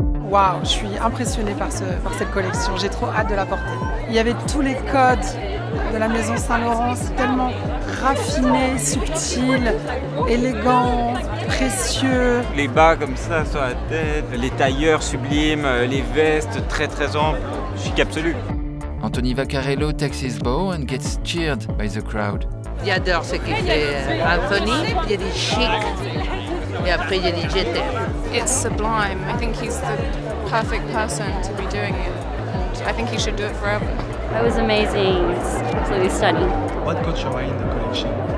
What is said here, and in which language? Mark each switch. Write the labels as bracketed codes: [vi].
[fr] Wow, je suis impressionnée par cette collection, j'ai trop hâte de la porter. Il y avait tous les codes de la maison Saint Laurent, c'est tellement raffiné, subtil, élégant, précieux. Les bas comme ça sur la tête, les tailleurs sublimes, les vestes très très amples, chic absolu. [en] Anthony Vaccarello takes his bow and gets cheered by the crowd. [fr] J'adore ce qu'il fait Anthony, il est chic. Et après il dit j'étais. [en] It's sublime. I think he's the perfect person to be doing it. I think he should do it forever. That was amazing. It's absolutely stunning. What coat should I wear in the collection?